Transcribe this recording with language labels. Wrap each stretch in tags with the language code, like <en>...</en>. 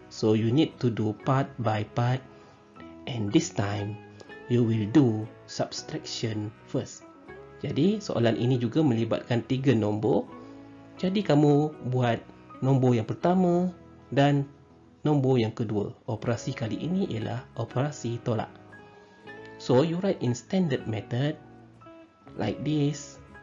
<en>So you need to do part by part, and this time you will do subtraction first.</en> <ms>Jadi soalan ini juga melibatkan tiga nombor. Jadi kamu buat nombor yang pertama dan nombor yang kedua. Operasi kali ini ialah operasi tolak.</ms> <en>So you write in standard method like this.</en>